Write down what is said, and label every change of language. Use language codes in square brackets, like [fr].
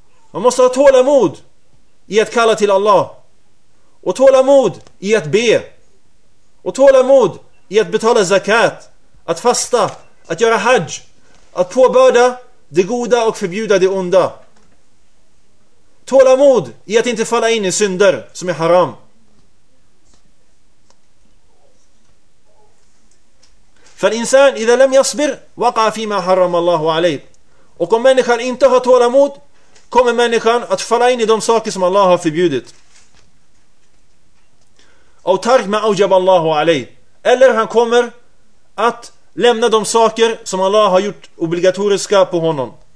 [sv] Man måste ha tålamod i att kalla till Allah och tålamod i att be och tålamod i att betala zakat, att fasta, att göra hajj, att påbörda det goda och förbjuda det onda. Tålamod i att inte falla in i synder som är haram. [ar] فالإنسان إذا لم يصبر وقع فيما حرم الله عليه. [sv] Och om människan inte har tålamod kommer människan att falla in i de saker som Allah har förbjudit. [ar] أو ترك ما أوجب الله عليه. [sv] Eller han kommer att lämna de saker som Allah har gjort obligatoriska på honom.